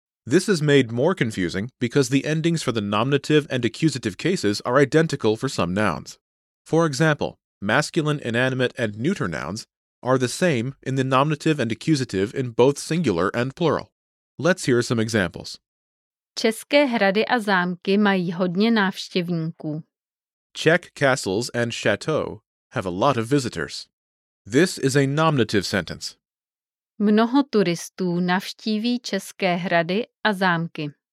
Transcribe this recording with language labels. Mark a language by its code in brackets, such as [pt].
[en] This is made more confusing because the endings for the nominative and accusative cases are identical for some nouns. For example, masculine, inanimate, and neuter nouns are the same in the nominative and accusative in both singular and plural. Let's hear some examples. [cs] České hrady a zámky mají hodně návštěvníků. [en] Czech castles and chateaux have a lot of visitors. This is a nominative sentence. [cs] Mnoho turistů navštíví české hrady a zámky.